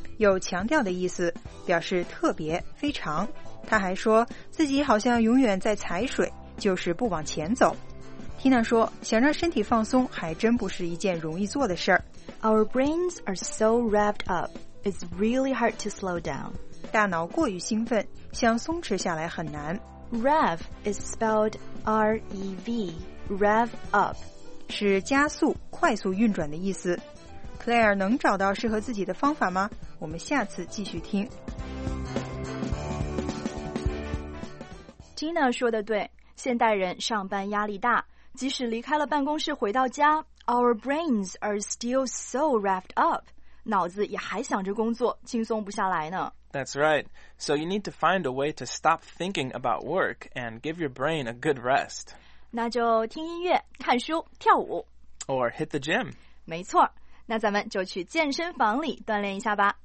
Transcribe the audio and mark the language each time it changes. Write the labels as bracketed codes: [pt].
[zh] 有强调的意思，表示特别，非常。她还说自己好像永远在踩水，就是不往前走。 Tina 说想让身体放松还真不是一件容易做的事儿。 [en] Our brains are so revved up, it's really hard to slow down. [zh] 大脑过于兴奋，想松弛下来很难。 [en] Rev is spelled R-E-V, rev up. [zh] 是加速、快速运转的意思。 Claire 能找到适合自己的方法吗？我们下次继续听。 Tina 说的对，现代人上班压力大，即使离开了办公室回到家， [en] Our brains are still so wrapped up. [zh] 脑子也还想着工作，轻松不下来呢。 [en] That's right. So you need to find a way to stop thinking about work and give your brain a good rest. [zh] 那就听音乐、看书、跳舞。 [en] Or hit the gym. [zh] 没错，那咱们就去健身房里锻炼一下吧。